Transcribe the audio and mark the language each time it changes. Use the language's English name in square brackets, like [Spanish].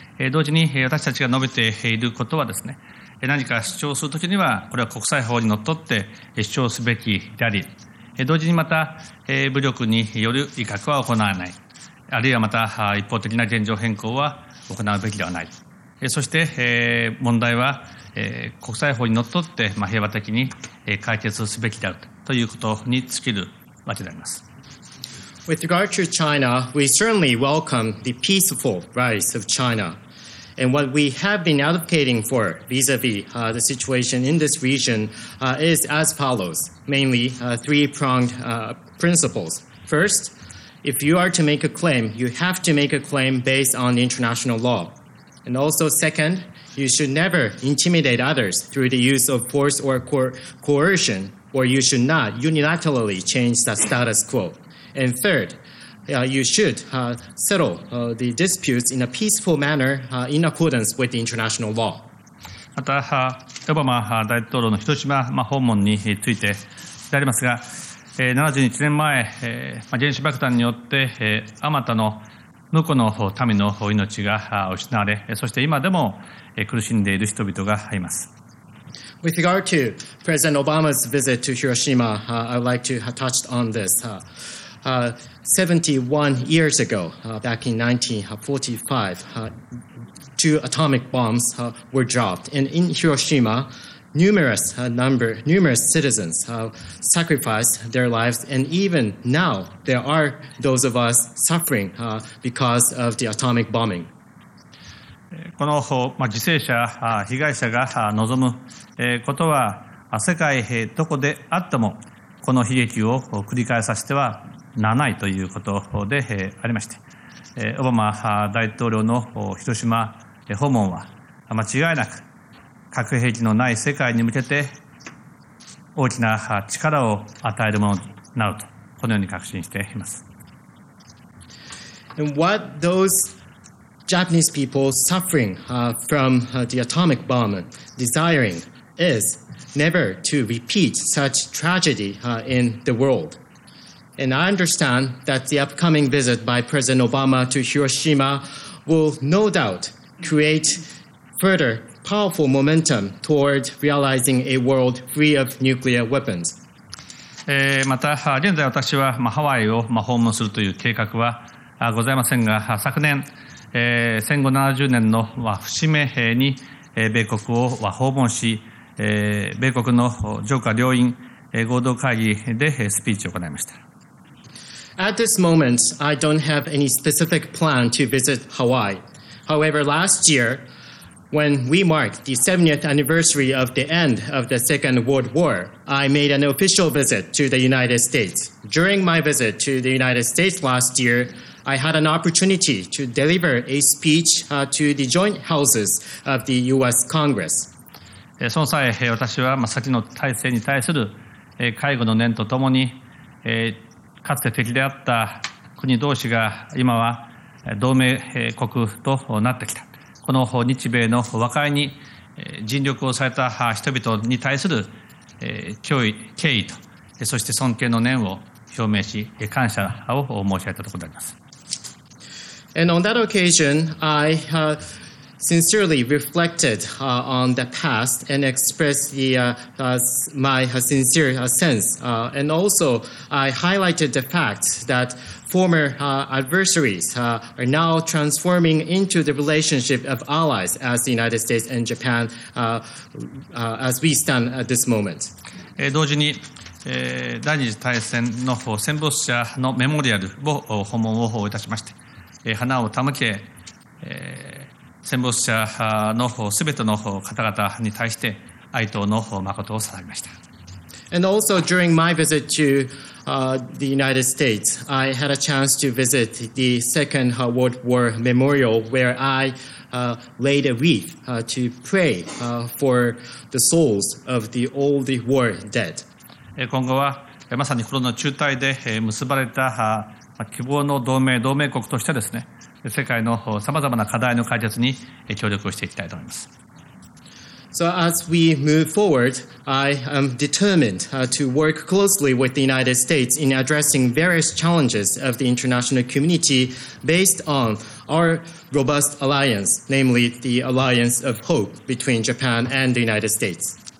[Japanese] 同時に私たちが述べていることはですね、何か主張するときにはこれは国際法にのっとって主張すべきであり、同時にまた武力による威嚇は行わない、あるいはまた一方的な現状変更は行うべきではない。そして問題は国際法にのっとって平和的に解決すべきであるということに尽きるわけであります。 [English] With regard to China, we certainly welcome the peaceful rise of China. And what we have been advocating for vis-a-vis the situation in this region is as follows, mainly three-pronged principles. First, if you are to make a claim, you have to make a claim based on international law. And also second, you should never intimidate others through the use of force or coercion.Or you should not unilaterally change the status quo. And third, you should settle the disputes in a peaceful manner in accordance with the international law. [Japanese] また、オバマ大統領の広島訪問についてでありますが、71年前、原子爆弾によって、あまたの無垢の民の命が失われ、そして今でも苦しんでいる人々がいます。 [English] With regard to President Obama's visit to Hiroshima, I would like to have touched on this. 71 years ago, back in 1945, two atomic bombs were dropped. And in Hiroshima, numerous citizens sacrificed their lives. And even now, there are those of us suffering because of the atomic bombing. [Japanese] この犠牲者、被害者が望むことは、世界どこであっても、この悲劇を繰り返させてはならないということでありまして、オバマ大統領の広島訪問は、間違いなく核兵器のない世界に向けて、大きな力を与えるものになると、このように確信しています。 [English] And what thoseJapanese people suffering from the atomic bomb desiring is never to repeat such tragedy in the world. And I understand that the upcoming visit by President Obama to Hiroshima will no doubt create further powerful momentum toward realizing a world free of nuclear weapons. [Japanese] また現在私はハワイを訪問するという計画はございませんが、昨年戦後70年の節目に米国を訪問し、米国の上下両院合同会議でスピーチを行いました。 [English] At this moment, I don't have any specific plan to visit Hawaii. However, last year, when we marked the 70th anniversary of the end of the Second World War, I made an official visit to the United States. During my visit to the United States last year,I had an opportunity to deliver a speech to the joint houses of the U.S. Congress. [Japanese] その際、私は先の大戦に対する介護の念とともに、かつて敵であった国同士が今は同盟国となってきた。この日米の和解に尽力をされた人々に対する敬意と、そして尊敬の念を表明し、感謝を申し上げたところであります。 [English] And on that occasion, I sincerely reflected on the past and expressed my sincere sense. And also, I highlighted the fact that former adversaries are now transforming into the relationship of allies as the United States and Japan as we stand at this moment. [Japanese] 同時に、第二次大戦の戦没者のメモリアルを訪問をいたしまして、花を手向け、戦没者のすべての方々に対して哀悼の誠を捧げました。 [English] And also during my visit to the United States, I had a chance to visit the Second World War Memorial where I laid a wreath to pray for the souls of the all the war dead. [Japanese] 今後はまさにこの中隊で結ばれた希望の同盟国としてですね、世界のさまざまな課題の解決に協力をしていきたいと思います。 [English] So as we move forward, I am determined to work closely with the United States in addressing various challenges of the international community based on our robust alliance, namely the alliance of hope between Japan and the United States.